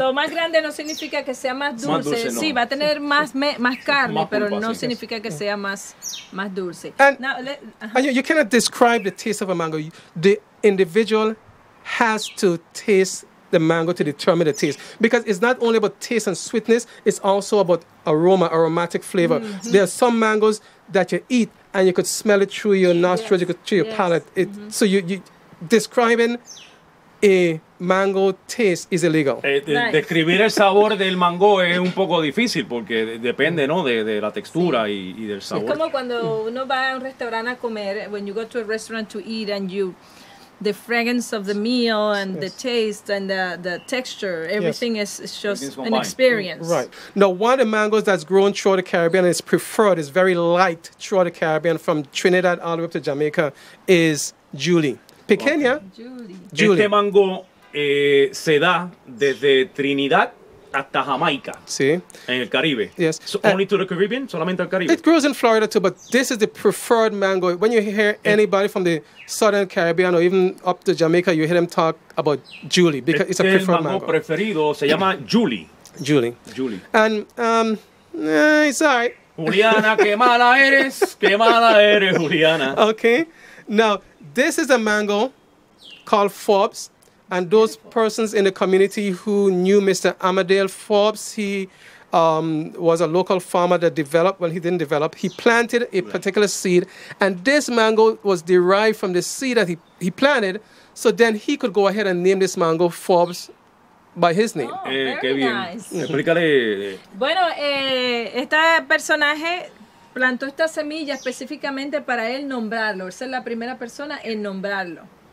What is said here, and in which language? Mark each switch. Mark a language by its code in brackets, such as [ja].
[es] So, más grande no significa que sea más dulce. Más dulce, no. Sí, va a tener más carne, más pero pulpa, no sí, significa yes. que sea más dulce. [en] And, you cannot describe the taste of a mango. The individual has to taste the mango to determine the taste. Because it's not only about taste and sweetness, it's also about aroma, aromatic flavor. Mm-hmm. There are some mangoes that you eat, and you could smell it through your nostrils, you could through your yes. palate. It, mm-hmm. So you describing a mango taste is illegal. [es] Describir el sabor del mango es un poco difícil porque depende, ¿no? De la textura sí. y del sabor. Es como cuando uno va a un restaurante a comer, [en] when you go to a restaurant to eat and you, the fragrance of the meal and yes. the taste and the texture, everything yes. is just an experience. Right. Now, one of the mangoes that's grown throughout the Caribbean and is preferred, is very light throughout the Caribbean from Trinidad all the way up to Jamaica, is Julie. [es] Pequeña. Okay. [en] Julie. [es] Este mango se da desde Trinidad hasta Jamaica. Sí. En el Caribe. [en] Yes. So only to the Caribbean? [es] Solamente al Caribe. [en] It grows in Florida too, but this is the preferred mango. When you hear anybody from the Southern Caribbean or even up to Jamaica, you hear them talk about Julie because it's a preferred mango. [es] El mango preferido se llama Julie. [en] Julie. And it's all right. [es] Juliana, qué mala eres. Qué mala eres, Juliana. [en] Okay. Now, this is a mango called Forbes. And those persons in the community who knew Mr. Amadale Forbes, he was a local farmer that developed, well, he didn't develop. He planted a particular seed, and this mango was derived from the seed that he planted, so then he could go ahead and name this mango Forbes by his name. Oh, very [es] qué bien. [en] Nice. [es] Explícale. Bueno, este personaje plantó esta semilla específicamente para él nombrarlo, ser la primera persona en nombrarlo.